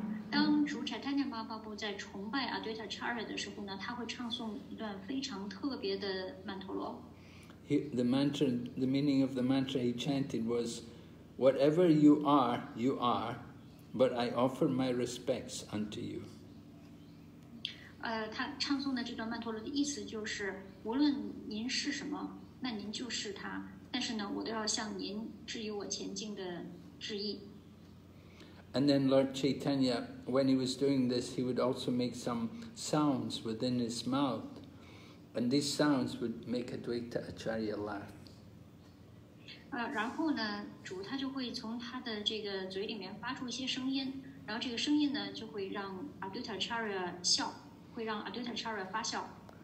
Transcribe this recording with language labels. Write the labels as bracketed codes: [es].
[zh] 当主 Chaitanya Mahaprabhu 在崇拜 Advaita Acharya 的时候呢，他会唱诵一段非常特别的曼陀罗。 [en] The mantra, the meaning of the mantra he chanted was, "Whatever you are, you are." But I offer my respects unto you. [zh] 他唱诵的这段曼陀罗的意思就是，无论您是什么，那您就是他。但是呢，我都要向您致以我前进的致意。 [en] And then Lord Chaitanya, when he was doing this, he would also make some sounds within his mouth, and these sounds would make Advaita Acharya laugh. [zh] 然后呢，主他就会从他的这个嘴里面发出一些声音，然后这个声音呢就会让 Advaita Acharya 笑，会让 Advaita Acharya 发笑。